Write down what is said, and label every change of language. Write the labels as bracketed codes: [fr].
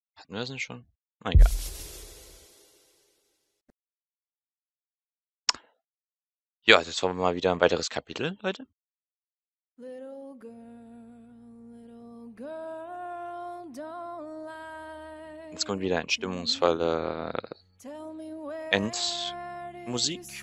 [de] Hatten wir das nicht schon? Mein Gott. Ja, jetzt wollen wir mal wieder ein weiteres Kapitel, Leute. [en] Little girl, little girl, don't lie. [de] Jetzt kommt wieder ein stimmungsvolle Endmusik.